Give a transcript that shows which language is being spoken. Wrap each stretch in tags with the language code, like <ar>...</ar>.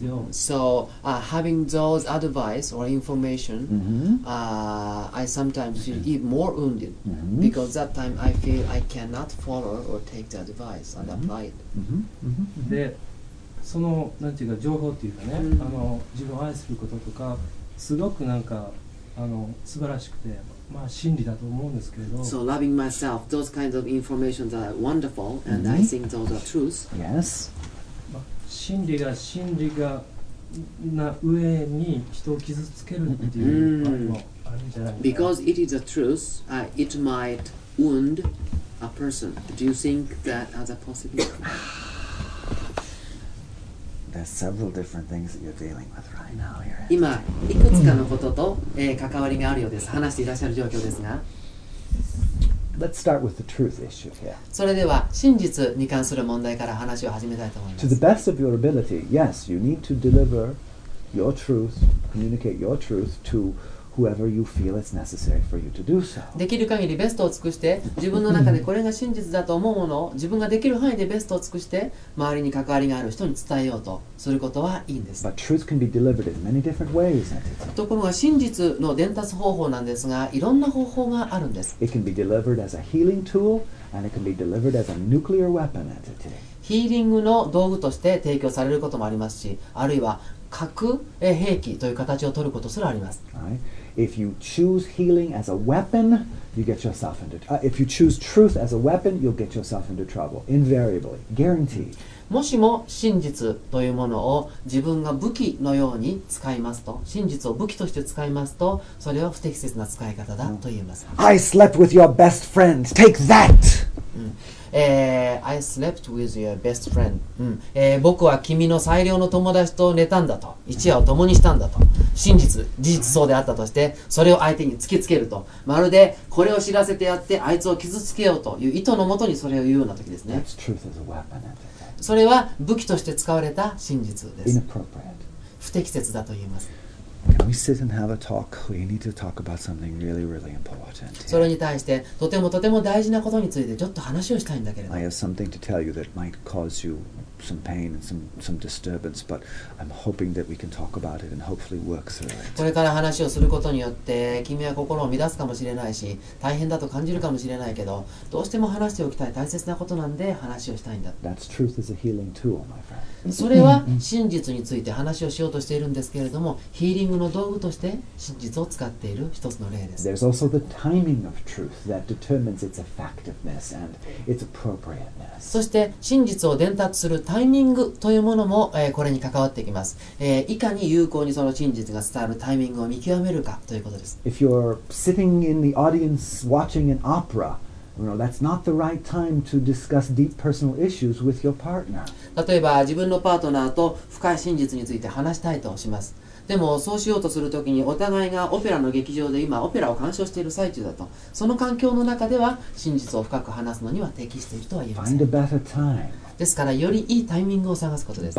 <en>So, having those advice or information, I sometimes feel even more wounded because that time I feel I cannot follow or take the advice and apply it.</en> <ja>で、その、なんていうか、情報っていうかね、自分を愛することとか、すごくなんか、素晴らしくて、まあ、真理だと思うんですけど。</ja> <en>So, loving myself, those kinds of information are wonderful and I think those are truth. Yes.</en> <ja>真理が真理がな上に人を傷つけるっていう場合もあるんじゃないですか。</ja> <en>Because it is a truth, it might wound a person. Do you think that as a possibility? There's several different things that you're dealing with right now here.</en> <ja>今いくつかのことと、関わりがあるようです。話していらっしゃる状況ですが。</ja> <en>Let's start with the truth issue here.</en> <ja>それでは真実に関する問題から話を始めたいと思います。</ja> <en>To the best of your ability, yes, you need to deliver your truth, communicate your truth to whoever you feel it's necessary for you to do so.</en> <ja>できる限りベストを尽くして、自分の中でこれが真実だと思うものを自分ができる範囲でベストを尽くして、周りに関わりがある人に伝えようとすることはいいんです。</ja> <en>But truth can be delivered in many different ways.</en> <ja>ところが真実の伝達方法なんですが、いろんな方法があるんです。</ja> <en>It can be delivered as a healing tool, and it can be delivered as a nuclear weapon.</en> <ja>ヒーリングの道具として提供されることもありますし、あるいは核兵器という形を取ることすらあります。</ja> <en>If you choose healing as a weapon, you get yourself into trouble. If you choose truth as a weapon, you'll get yourself into trouble. Invariably. Guaranteed.</en> <ja>もしも真実というものを自分が武器のように使いますと、真実を武器として使いますと、それは不適切な使い方だと言います。</ja> <en>I slept with your best friend. Take that! I slept with your best friend.</en> <ja>僕は君の最良の友達と寝たんだと。一夜を共にしたんだと。真実、事実そうであったとして、それを相手に突きつけると。まるでこれを知らせてやって、あいつを傷つけようという意図のもとにそれを言うような時ですね。</ja> <en>That's truth as a weapon.</en> <ja>それは武器として使われた真実です。</ja> <en>Inappropriate.</en> <ja>不適切だと言います。</ja> <en>Can we sit and have a talk? We need to talk about something really, really important.</en> <ja>それに対してとてもとても大事なことについてちょっと話をしたいんだけれど。</ja> <en>I have something to tell you that might cause you some pain and some disturbance, but I'm hoping that we can talk about it and hopefully work through it.</en> <ja>これから話をすることによって君は心を乱すかもしれないし大変だと感じるかもしれないけどどうしても話しておきたい大切なことなんで話をしたいんだ。</ja> <en>That's truth is a healing tool, my friend.</en> <ja>それは真実について話をしようとしているんですけれどもヒーリングの道具として真実を使っている一つの例です。</ja> <en>There's also the timing of truth that determines its effectiveness and its appropriateness.</en> <ja>そして真実を伝達するタイミングというものも、これに関わってきます、いかに有効にその真実が伝わるタイミングを見極めるかということです。</ja> <en>If you're sitting in the audience watching an opera, you know, that's not the right time to discuss deep personal issues with your partner.</en> <ja>例えば自分のパートナーと深い真実について話したいとします。でもそうしようとするときにお互いがオペラの劇場で今オペラを鑑賞している最中だとその環境の中では真実を深く話すのには適しているとは言えません。</ja> <en>Find a better time.</en> <ja>ですからよりいいタイミングを探すことです。</ja>